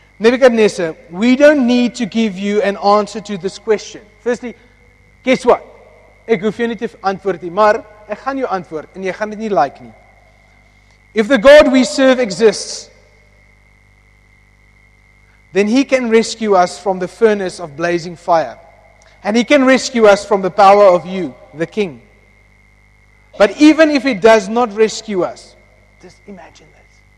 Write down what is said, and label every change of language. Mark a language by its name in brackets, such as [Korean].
[English] "Nebuchadnezzar, we don't need to give you an answer to this question. Firstly, guess what? [Afrikaans] Ek hoef jou nie te antwoord nie, maar ek gaan jou antwoord en jy gaan dit nie like nie. [English] If the God we serve exists, then he can rescue us from the furnace of blazing fire. And he can rescue us from the power of you, the king. But even if he does not rescue us," just imagine this.